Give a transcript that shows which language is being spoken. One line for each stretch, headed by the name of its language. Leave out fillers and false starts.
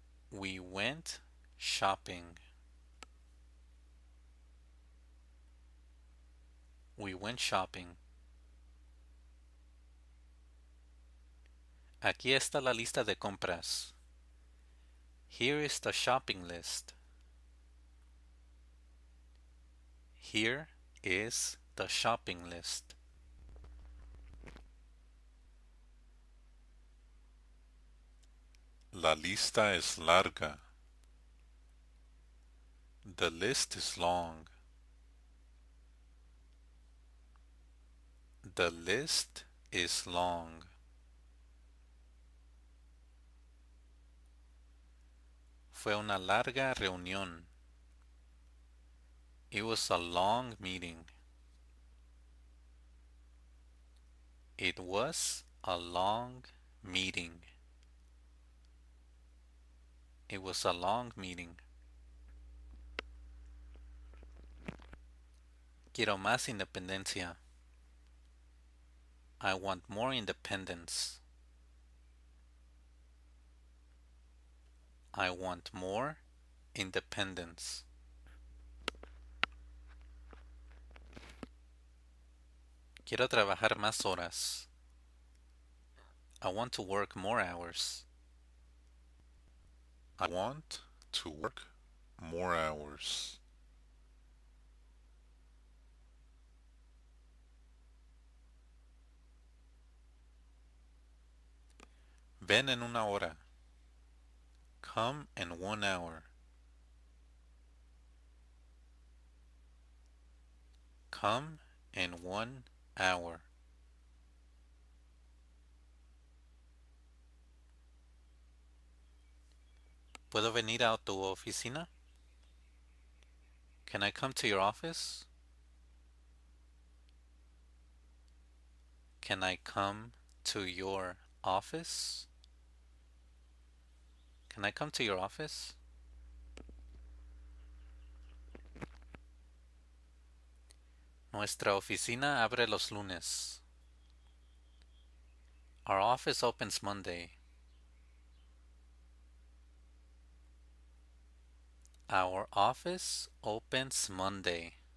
English: We went shopping. We went shopping.
Spanish: Aquí está la lista de compras.
English: Here is the shopping list. Here is the shopping list.
Spanish: La lista es larga.
English: The list is long. The list is long.
Spanish: Fue una larga reunión.
English: It was a long meeting. It was a long meeting. It was a long meeting.
Spanish: Quiero más independencia.
English: I want more independence. I want more independence.
Spanish: Quiero trabajar más horas.
English: I want to work more hours. I want to work more hours.
Spanish: Ven en una hora.
English: Come in 1 hour. Come in 1 hour.
Spanish: ¿Puedo venir a tu oficina?
English: Can I come to your office? Can I come to your office? Can I come to your office?
Spanish: Nuestra oficina abre los lunes.
English: Our office opens Monday. Our office opens Monday.